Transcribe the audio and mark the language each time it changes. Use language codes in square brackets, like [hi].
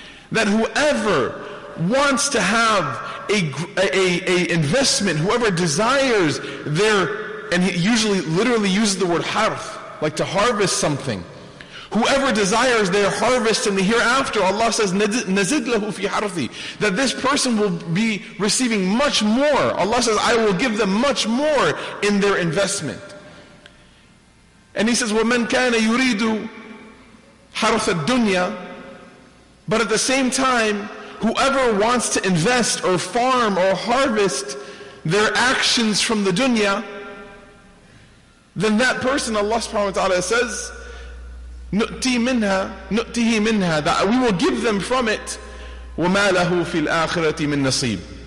[en] That whoever wants to have a investment, whoever desires their, and he usually literally uses the word harth, like to harvest something. Whoever desires their harvest in the hereafter, Allah says, [ar] نَزِدْ لَهُ فِي حَرْثِ. [en] That this person will be receiving much more. Allah says, I will give them much more in their investment. And He says, [ar] وَمَنْ كَانَ يُرِيدُ حَرْثَ الدُّنْيَا. [en] But at the same time, whoever wants to invest or farm or harvest their actions from the dunya, then that person, Allah subhanahu wa ta'ala says, [ar] نُؤْتِهِ مِنْهَا, [en] that we will give them from it, [ar] وَمَا لَهُ فِي الْآخِرَةِ مِنْ نَصِيبٍ.